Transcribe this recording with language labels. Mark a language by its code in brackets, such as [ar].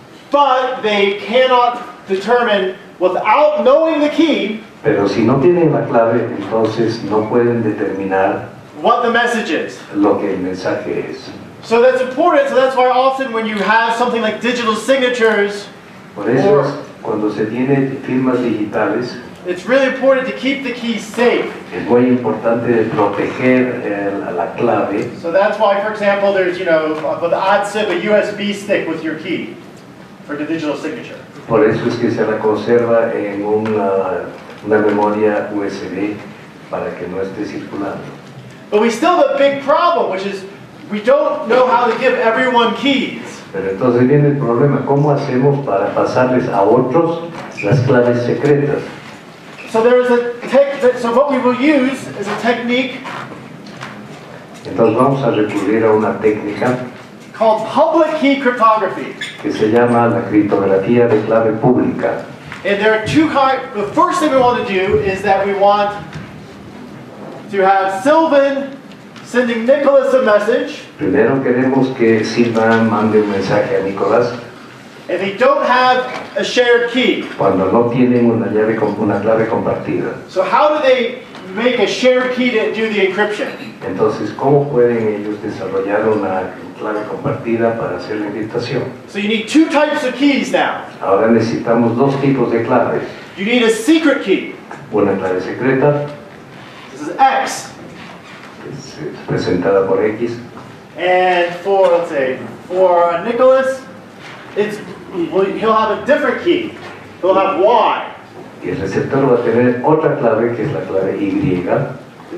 [en] But they cannot determine without knowing the key. [es] Pero si no tienen la clave, entonces no pueden determinar [en] what the message is. [es] Lo que el mensaje es. [en] So that's important. So that's why often when you have something like digital signatures, [es] por eso or, cuando se tiene firmas digitales, [en] it's really important to keep the key safe. [es] Es muy importante proteger la clave. [en] So that's why, for example, there's with ADSIB a USB stick with your key for the digital signature. [es] Por eso es que se la conserva en una memoria USB para que no esté circulando. [en] But we still have a big problem, which is we don't know how to give everyone keys. [es] Pero entonces viene el problema, ¿cómo hacemos para pasarles a otros las claves secretas? [en] So there is a so what we will use is a technique. [es] Entonces vamos a recurrir a una técnica [en] called public key cryptography. [es] Que se llama la criptografía de clave pública. [en] And there are two kinds. The first thing we want to do is that we want to have Sylvan sending Nicholas a message. [es] Primero queremos que Sylvan mande un mensaje a Nicholas. [en] And they don't have a shared key. [es] Cuando no tienen una clave compartida. [en] So how do they make a shared key to do the encryption? [es] Entonces, ¿cómo pueden ellos desarrollar una clave compartida para hacer la encriptación? [en] So you need two types of keys now. [es] Ahora necesitamos dos tipos de claves. [en] You need a secret key. [es] Una clave secreta. [en] This is X. [es] Es presentada por X. [en] And for Nicholas, he'll have a different key. He'll have Y. [es] Y el receptor va a tener otra clave, que es la clave Y.